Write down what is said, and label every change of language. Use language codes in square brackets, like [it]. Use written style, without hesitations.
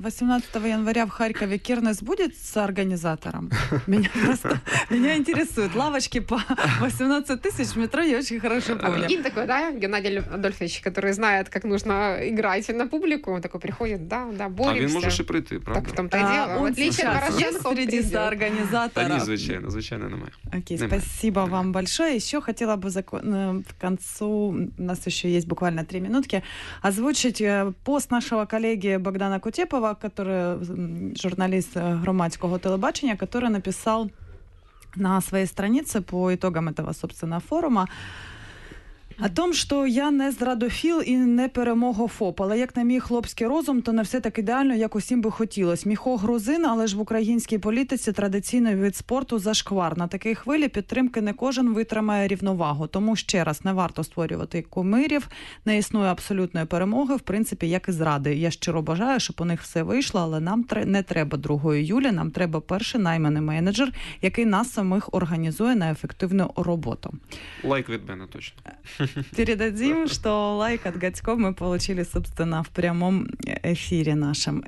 [uk] 18 января в Харкові Кірнес буде з організатором? Мене інтересують. Лавочки по 18 тисяч, метро я дуже хорошо помню. Він такий, да, Геннадій Адольфович, який знає, як потрібно грати на публіку, він такий приходить, да, да, боремся. А він може ще прийти, правда? Так в тому-то і діло. [ru] Отлично, хорошо. Среди соорганизаторов. [uk] Они, звичайно, немає. Окей, немає. [ru] Спасибо немає. Вам большое. Еще хотела бы в концу, у нас еще есть буквально 3 минутки, озвучить пост нашего коллеги Богдана Кутепова, который журналист громадського телебачення, который написал на своей странице по итогам этого, собственно, форума, о том, [uk] що я не зрадофіл і не перемогофоб, але як на мій хлопський розум, то не все так ідеально, як усім би хотілося. Міхо грузин, але ж в українській політиці традиційний вид спорту зашквар. На такій хвилі підтримки не кожен витримає рівновагу. Тому ще раз, не варто створювати кумирів, не існує абсолютної перемоги, в принципі, як і зради. Я щиро бажаю, щоб у них все вийшло, але нам не треба другої Юлі, нам треба перший найманий менеджер, який нас самих організує на ефективну роботу. Лайк від мене точно. [ru] Передадим, что лайк от Гатько мы получили, собственно, в прямом эфире нашем.